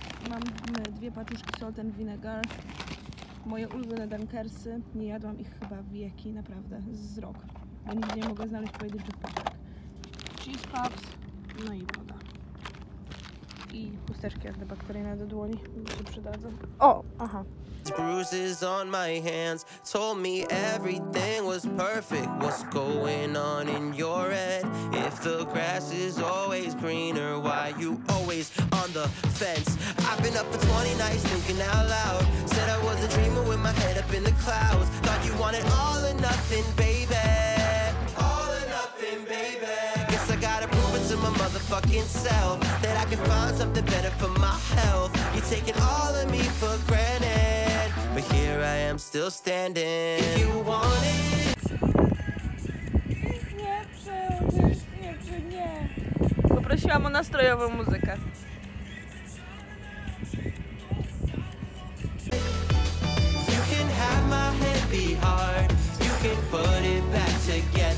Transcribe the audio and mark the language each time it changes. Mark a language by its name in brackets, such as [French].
[Polish] Mam dwie paczuszki salt and vinegar, moje ulubione Dunkersy, nie jadłam ich chyba wieki, naprawdę, z rok, bo nigdy nie mogę znaleźć pojedynczych paczek. Cheese puffs, no i woda. I chusteczki antybakteryjne do dłoni, mi się przydadzą. O, aha. [English] Bruises on my hands told me everything was perfect. What's going on in your head? If the grass is always greener, why you always on the fence? I've been up for 20 nights thinking out loud. Said I was a dreamer with my head up in the clouds. Thought you wanted all or nothing, baby. All or nothing, baby. Guess I gotta prove it to my motherfucking self that I can find something better for my health. You're taking all of me for granted. But here I am still standing. If you want it. [Polish] Nie chcę, nie chcę, nie. Poprosiłam o nastrojową muzykę. [English] You can have my heavy heart. You can put it back together.